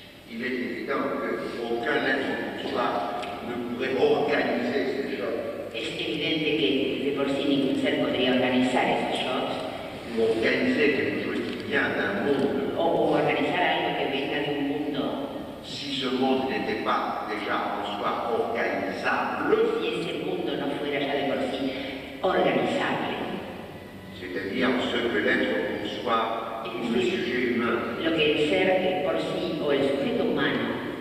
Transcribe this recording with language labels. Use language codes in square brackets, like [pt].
[fr] Il est évident que aucun être en soi ne pourrait organiser ces shocks. [es] Es evidente que de por sí ningún ser podría organizar esos shocks. [fr] Ou organiser quelque chose qui vient d'un monde. [es] O organizar algo que venga de un mundo. [fr] Si ce monde n'était pas déjà en soi organisable, [es] si ese mundo no fuera ya de por sí organizable, [fr] c'est-à-dire ce que l'être en soi, le sujet humain, [es] lo que el ser por sí o el sujeto humano